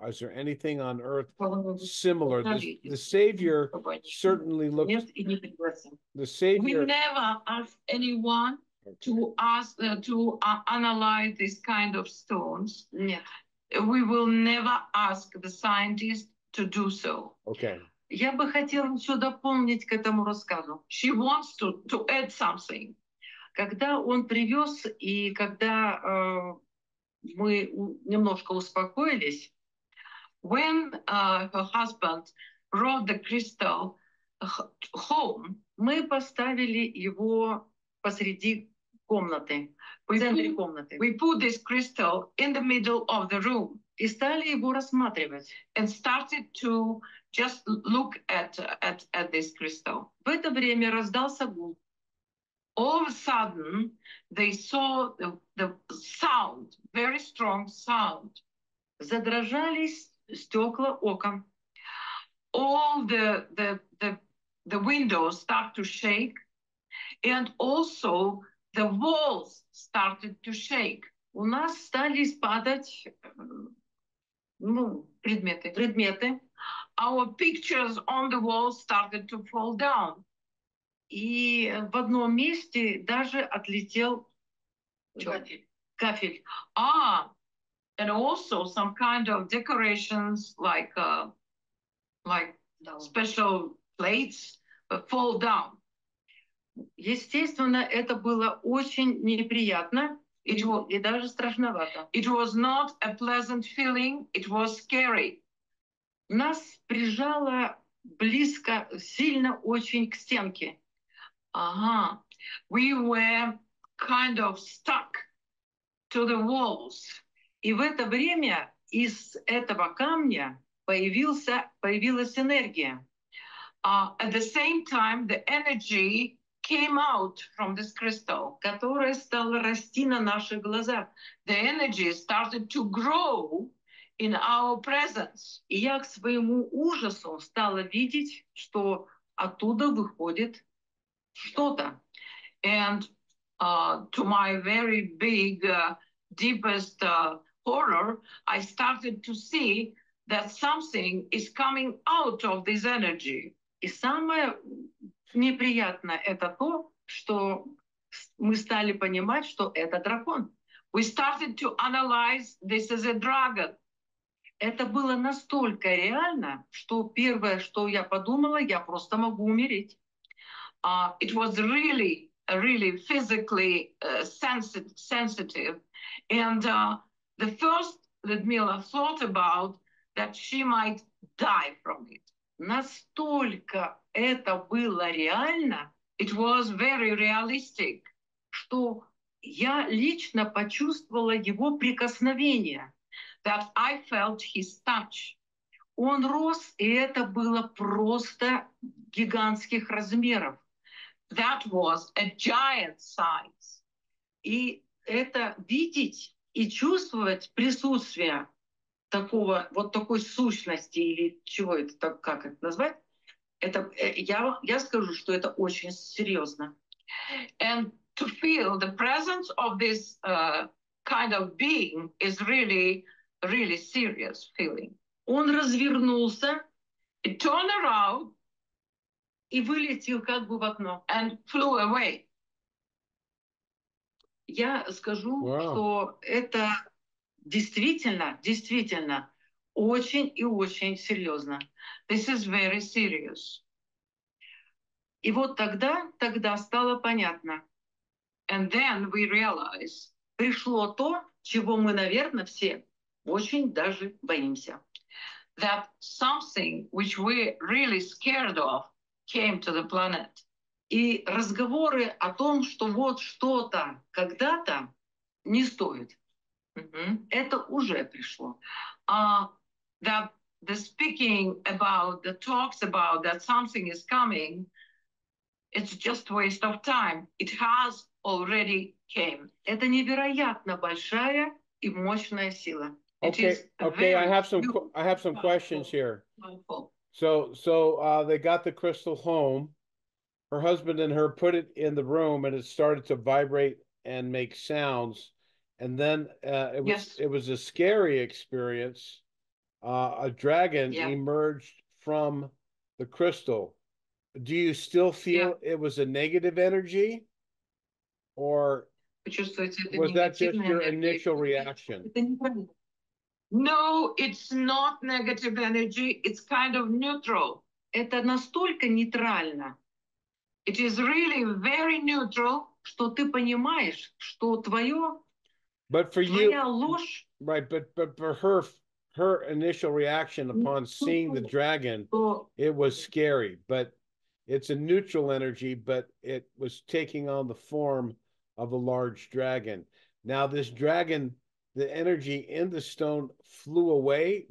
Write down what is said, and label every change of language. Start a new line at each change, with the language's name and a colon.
English: Is there anything on earth similar? The Savior certainly looks... The Savior... We never ask anyone to ask analyze this kind of stones. Yeah. We will never ask the scientist to do so. Okay.
Russian: Я бы хотела еще дополнить к этому рассказу.
English: She wants to add something.
Russian: Когда он привез, и когда мы немножко успокоились,
English: when her husband brought the crystal home,
Russian: мы поставили его посреди комнаты, в центре комнаты.
English: We put this crystal in the middle of the room.
Russian: И стали его рассматривать.
English: And started to... Just look at this crystal.
Russian: В это время раздался гул.
English: All of a sudden, they saw the sound, very strong sound.
Russian: Задрожали стекла окон.
English: All the windows start to shake, and also the walls started to shake.
Russian: У нас стали спадать предметы.
English: Our pictures on the wall started to fall down.
Russian: И в одном месте даже отлетел кафель.
English: Ah, and also some kind of decorations like special plates fall down.
Russian: Естественно, это было очень неприятно и даже страшновато.
English: It was not a pleasant feeling, it was scary.
Russian: Нас прижало близко, сильно очень к стенке. Ага.
English: We were kind of stuck to the walls.
Russian: И в это время из этого камня появилась энергия.
English: At the same time, the energy came out from this crystal,
Russian: которая стала расти на наших глазах.
English: The energy started to grow in our presence.
Russian: И я к своему ужасу стала видеть, что оттуда выходит что-то.
English: And to my very big, deepest horror, I started to see that something is coming out of this energy.
Russian: И самое неприятное это то, что мы стали понимать, что это дракон.
English: We started to analyze this as a dragon.
Russian: Это было настолько реально, что первое, что я подумала, я просто могу умереть.
English: It was really, really physically sensitive. And the first Ludmila thought about that she might die from it.
Russian: Настолько это было реально,
English: it was very realistic,
Russian: что я лично почувствовала его прикосновение,
English: that I felt his touch.
Russian: Он рос, и это было просто гигантских размеров.
English: That was a giant size.
Russian: И это видеть и чувствовать присутствие такого, вот такой сущности или чего это так, как это назвать? Это я скажу, что это очень серьезно.
English: And to feel the presence of this kind of being is really, really serious feeling.
Russian: Он развернулся,
English: it turned around,
Russian: и вылетел как бы в окно.
English: And flew away.
Russian: Я скажу, что это действительно, действительно очень и очень серьезно.
English: This is very serious.
Russian: И вот тогда стало понятно.
English: And then we realize.
Russian: Пришло то, чего мы, наверное, все очень даже боимся.
English: That something which we really scared of came to the planet.
Russian: И разговоры о том, что вот что-то когда-то не стоит. Mm-hmm. Это уже пришло.
English: That the speaking about, the talks about that something is coming, it's just a waste of time. It has already came.
Russian: Это невероятно большая и мощная сила.
English: Okay, I have some questions here. So they got the crystal home. Her husband and her put it in the room and it started to vibrate and make sounds. And then it was a scary experience. A dragon emerged from the crystal. Do you still feel it was a negative energy? Or was that just your initial reaction? No, it's not negative energy. It's kind of neutral.
Russian: Это настолько нейтрально.
English: It is really very neutral,
Russian: что ты понимаешь, что твое.
English: But for you,
Russian: ложь,
English: right? But for her initial reaction upon seeing the dragon, it was scary. But it's a neutral energy, but it was taking on the form of a large dragon. Now this dragon, the energy in the stone flew away.